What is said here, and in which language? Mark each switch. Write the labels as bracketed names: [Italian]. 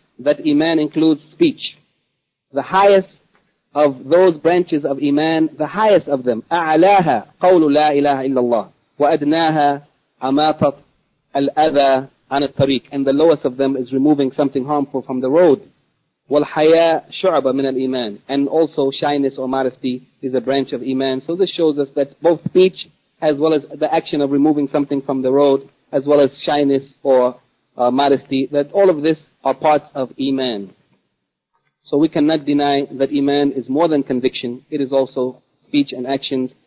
[English] That iman includes speech. The highest of those branches of iman, the highest of them, [Arabic] أعلاها قول لا إله إلا الله وأدناها أماطة الأذى عن الطريق. [English] And the lowest of them is removing something harmful from the road. [Arabic] والحياء شعبة من الإيمان. [English] And also shyness or modesty is a branch of iman. So this shows us that both speech as well as the action of removing something from the road, as well as shyness or modesty, that all of this are parts of iman. So we cannot deny that iman is more than conviction. It is also speech and actions.